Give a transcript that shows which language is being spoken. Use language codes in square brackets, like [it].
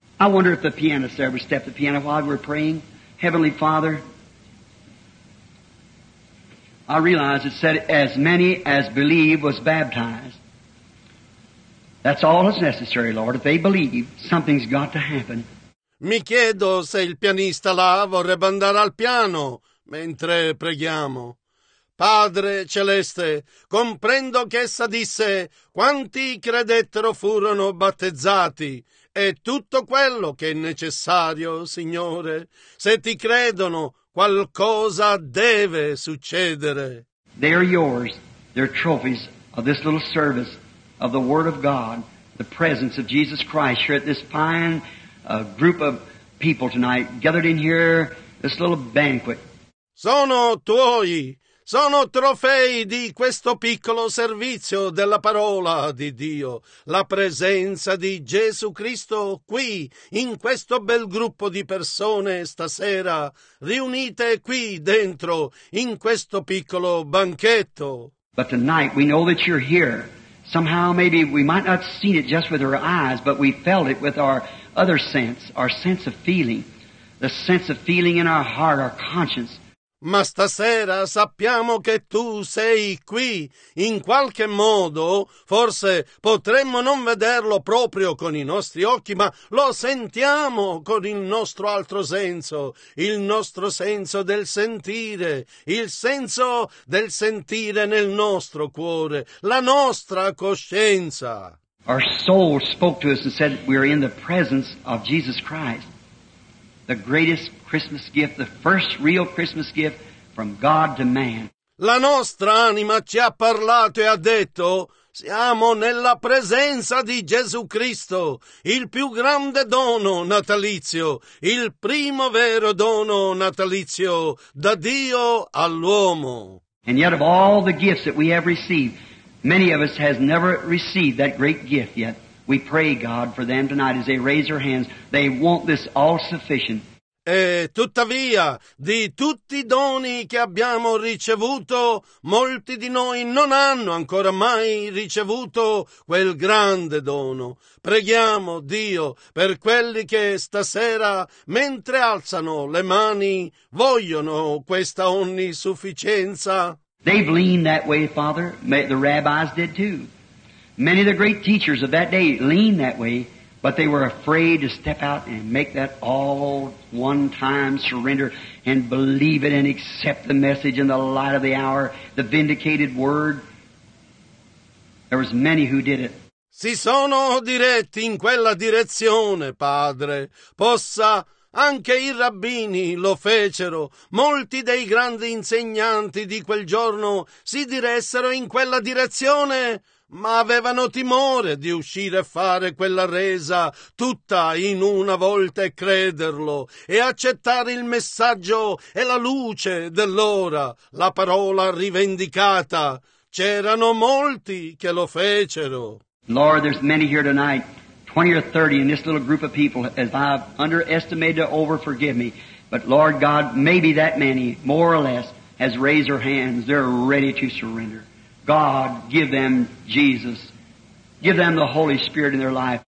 [en] I wonder if the pianist ever stepped the piano while we're praying. Heavenly Father, I realize it said, as many as believe was baptized. That's all that's necessary, Lord. If they believe, something's got to happen. [it] Mi chiedo se il pianista là vorrebbe andare al piano mentre preghiamo. Padre Celeste, comprendo che essa disse, quanti credettero furono battezzati. È tutto quello che è necessario, Signore. Se ti credono, qualcosa deve succedere. [en] They are yours. They're trophies of this little service of the Word of God, the presence of Jesus Christ here at this fine group of people tonight, gathered in here, this little banquet. [it] Sono tuoi. Sono trofei di questo piccolo servizio della parola di Dio, la presenza di Gesù Cristo qui, in questo bel gruppo di persone stasera, riunite qui dentro, in questo piccolo banchetto. [en] But tonight we know that you're here. Somehow maybe we might not see it just with our eyes, but we felt it with our other sense, our sense of feeling, the sense of feeling in our heart, our conscience. [it] Ma stasera sappiamo che tu sei qui, in qualche modo, forse potremmo non vederlo proprio con i nostri occhi, ma lo sentiamo con il nostro altro senso, il nostro senso del sentire, il senso del sentire nel nostro cuore, la nostra coscienza. [en] Our soul spoke to us and said we are in the presence of Jesus Christ. The greatest Christmas gift, the first real Christmas gift from God to man. [it] La nostra anima ci ha parlato e ha detto, siamo nella presenza di Gesù Cristo, il più grande dono natalizio, il primo vero dono natalizio da Dio all'uomo. [en] And yet of all the gifts that we have received, many of us has never received that great gift yet. We pray, God, for them tonight as they raise their hands. They want this all-sufficient. [it] E tuttavia, di tutti i doni che abbiamo ricevuto, molti di noi non hanno ancora mai ricevuto quel grande dono. Preghiamo, Dio, per quelli che stasera, mentre alzano le mani, vogliono questa onnisufficienza. [en] They've leaned that way, Father. The rabbis did too. Many of the great teachers of that day leaned that way. But they were afraid to step out and make that all one time surrender and believe it and accept the message and the light of the hour, the vindicated word. There was many who did it. [it] Si sono diretti in quella direzione, padre, possa anche i rabbini lo fecero. Molti dei grandi insegnanti di quel giorno si diressero in quella direzione, ma avevano timore di uscire a fare quella resa tutta in una volta e crederlo e accettare il messaggio e la luce dell'ora, la parola rivendicata. C'erano molti che lo fecero. [en] Lord, there's many here tonight, 20 or 30 in this little group of people, as I've underestimated or over, forgive me. But Lord God, maybe that many, more or less, has raised their hands. They're ready to surrender. God, give them Jesus. Give them the Holy Spirit in their life.